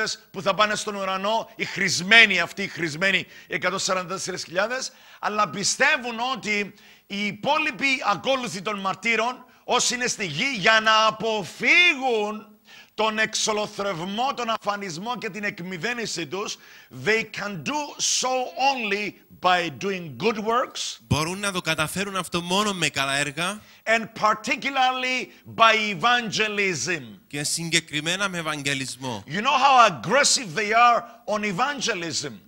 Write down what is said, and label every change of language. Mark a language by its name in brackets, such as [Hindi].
[Greek] που θα πάνε στον ουρανό, οι χρησμένοι, αυτοί οι χρησμένοι, οι 144,000, αλλά πιστεύουν ότι οι υπόλοιποι ακόλουθοι των μαρτύρων, όσοι είναι στη γη, για να αποφύγουν τον εξολοθρευμό, τον αφανισμό και την εκμηδένισή τους, [English] they can do so only by doing good works. [Greek] Μπορούν να το καταφέρουν αυτό μόνο με καλά έργα. [English] And particularly by evangelism. [Greek] Και συγκεκριμένα με ευαγγελισμό. [English] You know how aggressive they are on evangelism.